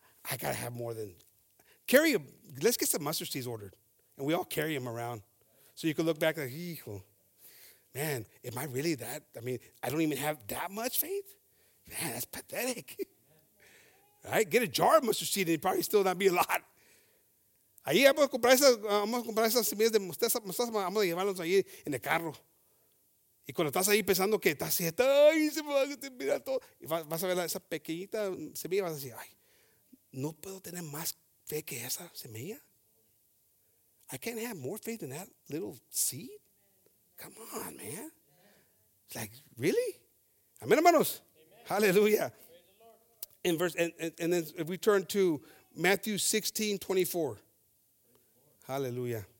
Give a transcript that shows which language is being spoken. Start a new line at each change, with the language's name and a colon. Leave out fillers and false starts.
English: I got to have more than. Carry a. Let's get some mustard seeds ordered. And we all carry them around. So you can look back like, hijo, man, am I really that? I mean, I don't even have that much faith? Man, that's pathetic. Right? Get a jar of mustard seed and it'd probably still not be a lot.
Spanish: Ahí vamos a comprar esas semillas de mostaza, vamos a llevarlos ahí en el carro. Y cuando estás ahí pensando que estás así, ay, se me va a mirar todo. Y vas a ver esa pequeñita semilla y vas a decir, ay, no puedo tener más fe que esa semilla.
English: I can't have more faith than that little seed. Come on, man. It's like, really? Amen, hermanos. Hallelujah. In verse, and then if we turn to Matthew 16:24. Hallelujah.